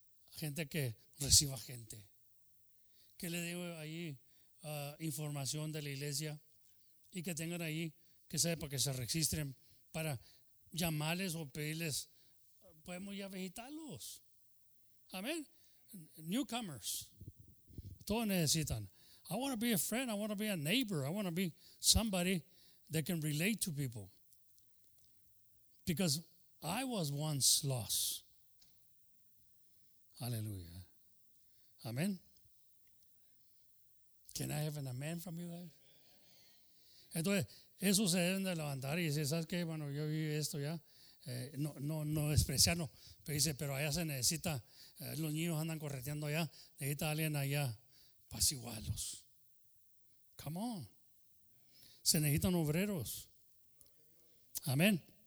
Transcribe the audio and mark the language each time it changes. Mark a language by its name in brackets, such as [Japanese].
[Spanish] Gente que reciba gente. ¿Qué le digo ahí? Información de la iglesia y que tengan ahí que sepa que se registren para llamarles o pedirles, podemos ya visitarlos. Amén. Newcomers, todos necesitan. [English] I want to be a friend, I want to be a neighbor, I want to be somebody that can relate to people, because I was once lost. Aleluya. Amén. Can I have an amen from you guys? [Spanish] Entonces, eso se deben de levantar y decir, ¿sabes qué? Bueno, yo viví esto ya. No despreciarlo. Pero dice, pero allá se necesita, los niños andan correteando allá, necesita alguien allá para apaciguarlos. [English] Come on. [Spanish] Se necesitan obreros. Amén.